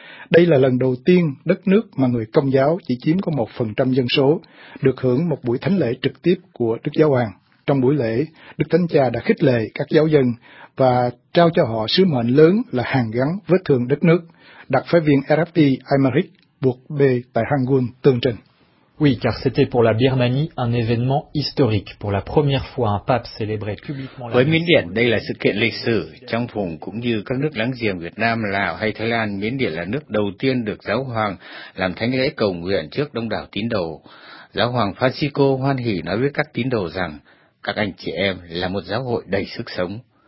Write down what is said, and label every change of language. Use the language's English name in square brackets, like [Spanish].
[Vietnamese] Đây là lần đầu tiên đất nước mà người Công giáo chỉ chiếm có 1% dân số được hưởng một buổi thánh lễ trực tiếp của Đức Giáo Hoàng. Trong buổi lễ, Đức Thánh Cha đã khích lệ các giáo dân và trao cho họ sứ mệnh lớn là hàn gắn vết thương đất nước. Đặc phái viên RFI Aymeric Buộc B tại Rangoon tường trình. [French] Oui, car c'était pour la Birmanie un événement historique. Pour la première fois, un pape célébrait publiquement la. [Vietnamese] Với Miến Điện, đây là sự kiện lịch sử. Trong vùng cũng như các nước láng giềng Việt Nam, Lào hay Thái Lan, Miến Điện là nước đầu tiên được Giáo Hoàng làm thánh lễ cầu nguyện trước đông đảo tín đồ. Giáo Hoàng Francisco hoan hỉ nói với các tín đồ rằng: "Các anh chị em là một giáo hội đầy sức sống."